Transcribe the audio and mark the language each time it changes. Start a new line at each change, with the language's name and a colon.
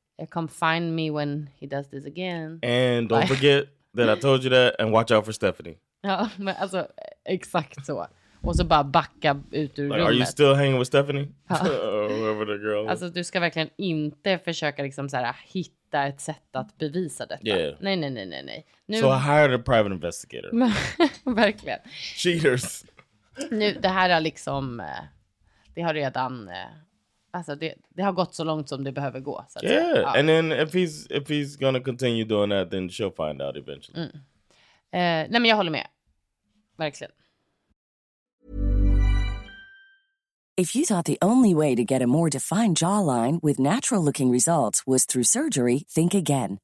English: Come find me when he does this again. And don't forget that I told you that, and watch out for Stephanie.
Swedish: Ja, men alltså, exakt så. Och så bara backa ut ur rummet.
English: Are you still hanging with Stephanie? Whoever the girl is.
Swedish: Alltså, du ska verkligen inte försöka liksom så här, hitta ett sätt att bevisa detta.
English: Yeah.
Swedish: Nej. Nu...
English: So I hired a private investigator.
Swedish: Verkligen.
English: Cheaters.
Swedish: Nu, det här har liksom, det har redan alltså det har gått så långt som det behöver gå, så att yeah, säga. Ja.
English: And then if he's gonna continue doing that, then she'll find out eventually.
Swedish: Mm. Nej, men jag håller med. Verkligen.
English: If you thought the only way to get a more defined jawline with natural-looking results was through surgery, think again.